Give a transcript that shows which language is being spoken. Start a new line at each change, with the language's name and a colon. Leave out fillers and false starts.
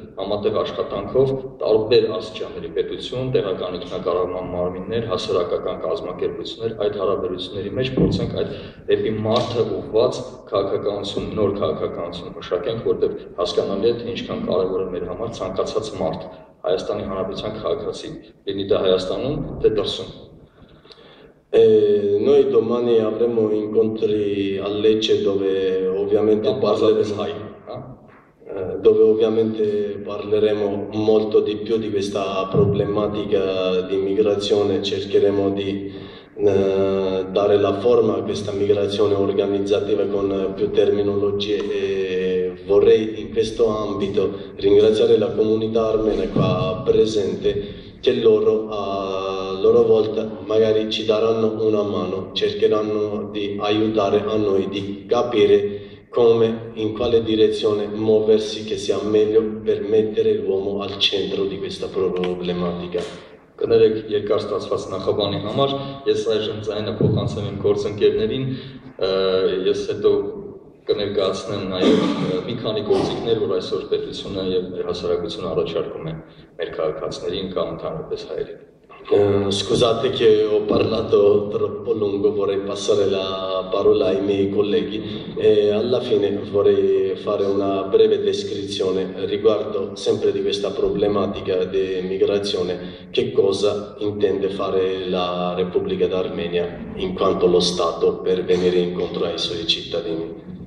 Armenian: համատեղ աշխատանքով տարբեր աստիճանների պետություն, տեղական ինքնակառավարման մարմիններ, հասարակական կազմակերպություններ այդ հարաբերությունների մեջ փորձենք այդ դեպի մարդը ուղված քաղաքականություն, նոր քաղաքականություն մշակենք, որտեղ հասկանալի է, թե ինչքան կարևոր է մեր համար ցանկացած մարդ Հայաստանի Հանրապետության քաղաքացի լինի, դա Հայաստանում, թե դրսում։
Italian: Noi domani avremo incontri a Lecce dove ovviamente parleremo molto di più di questa problematica di immigrazione, cercheremo di dare la forma a questa migrazione organizzativa con più terminologie, e vorrei in questo ambito ringraziare la comunità armena qua presente, che loro a loro volta magari ci daranno una mano, cercheranno di aiutare a noi di capire come, in quale direzione muoversi, che sia meglio per mettere l'uomo al centro di questa problematica.
Armenian: Կներեք երկար ստացված նախաբանի համար, ես այժմ ձայնը փոխանցեմ իմ գործընկերներին, ես հետո կներկայացնեմ նաև մի քանի գործիքներ, որ այսօր պետությունը եւ մեր հասարակությունը առաջարկում է մեր քաղաքացիներին կամ ընդհանրապես հայերին։
Italian: Scusate che ho parlato troppo lungo, vorrei passare la parola ai miei colleghi e alla fine vorrei fare una breve descrizione riguardo sempre di questa problematica di migrazione, che cosa intende fare la Repubblica d'Armenia in quanto lo Stato per venire incontro ai suoi cittadini.